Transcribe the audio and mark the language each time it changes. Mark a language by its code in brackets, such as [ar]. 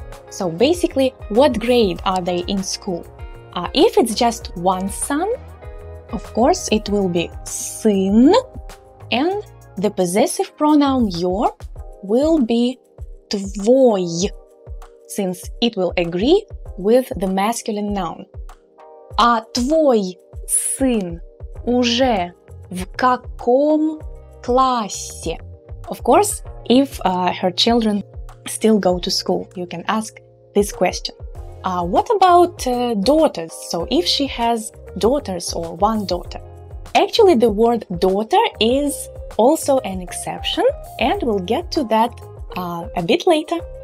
[en] So basically, what grade are they in school? If it's just one son, of course it will be сын, and the possessive pronoun your will be твой, since it will agree with the masculine noun. [ru] А твой сын уже в каком классе? [en] Of course, if her children still go to school, you can ask this question. What about daughters? So if she has daughters or one daughter. Actually, the word daughter is also an exception, and we'll get to that a bit later.